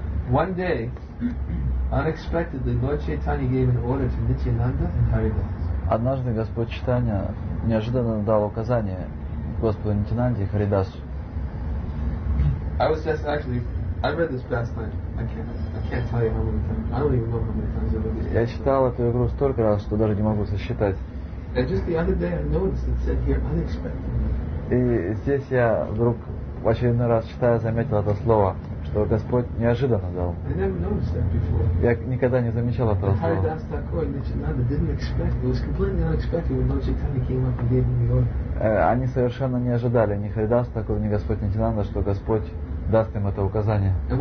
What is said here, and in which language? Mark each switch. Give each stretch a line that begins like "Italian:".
English: One day, unexpectedly, Lord Chaitanya gave an order to Nityananda and Haridas.
Russian: Однажды Господь Чайтанья неожиданно дал указание Господу Нитянанде и Харидасу.
English: I was just actually, I read this past night. I can't tell you how many times. I don't even know how many times I read this.
Russian: Я читал эту игру столько раз, что даже не могу сосчитать. And just the other day, I noticed it said here unexpectedly. И здесь я вдруг в очередной раз читая заметил это слово. То Господь неожиданно дал. Я никогда не замечал этого слова. Они совершенно не ожидали ни Харидас такой, ни Господь Нитянанда, что Господь даст им это указание.